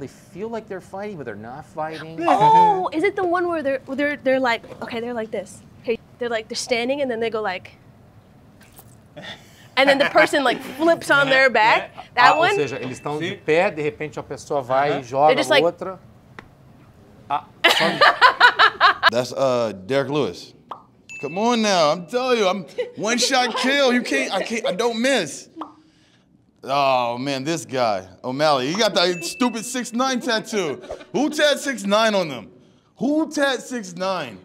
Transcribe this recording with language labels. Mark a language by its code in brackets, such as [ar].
[en] They feel like they're fighting, but they're not fighting. Oh, is it the one where they're like, okay, they're like this. Hey, they're like, they're standing, and then they go like... And then the person like flips on their back. That one? [pt] Ou seja, eles estão de pé, de repente a pessoa vai e joga a outra. [en] That's Derek Lewis. Come on now, I'm telling you, I'm one shot kill. You can't, I don't miss. Oh man, this guy, O'Malley, he got that stupid 6'9 tattoo. Who tat 6'9 on them? Who tat 6'9?